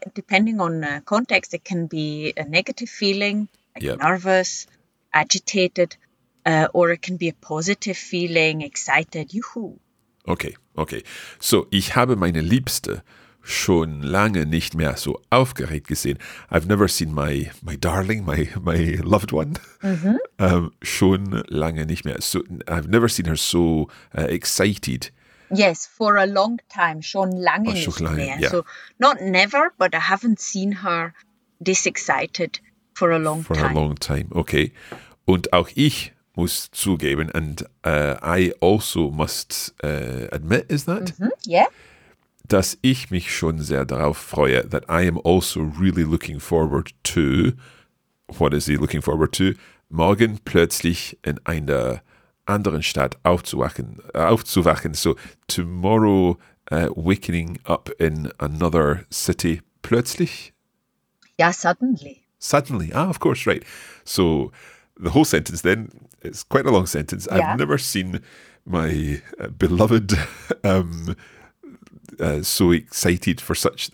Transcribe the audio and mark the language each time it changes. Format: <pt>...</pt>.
<en>Depending on context, it can be a negative feeling, like yep. nervous, agitated, or it can be a positive feeling, excited, juhu. Okay, okay.</en> <de>So, ich habe meine Liebste schon lange nicht mehr so aufgeregt gesehen.</de> <en>I've never seen my darling, my loved one, mm-hmm.</en> <de>Schon lange nicht mehr.</de> <en>So, I've never seen her so excited. Yes, for a long time,</en> <de>schon lange oh, nicht lange, mehr.</de> <en>Yeah. So, not never, but I haven't seen her this excited for a long for time. For a long time, okay.</en> <de>Und auch ich muss zugeben,</de> <en>and I also must admit, is that? Mm-hmm. Yeah.</en> <de>Dass ich mich schon sehr darauf freue,</de> <en>that I am also really looking forward to, what is he looking forward to?</en> <de>Morgen plötzlich in einer anderen Stadt aufzuwachen.</de> <en>So tomorrow, wakening up in another city.</en> <de>Plötzlich?</de> <en>Ja, suddenly. Suddenly. Ah, of course, right. So the whole sentence then, it's quite a long sentence. Yeah. I've never seen my beloved so excited for such...</en>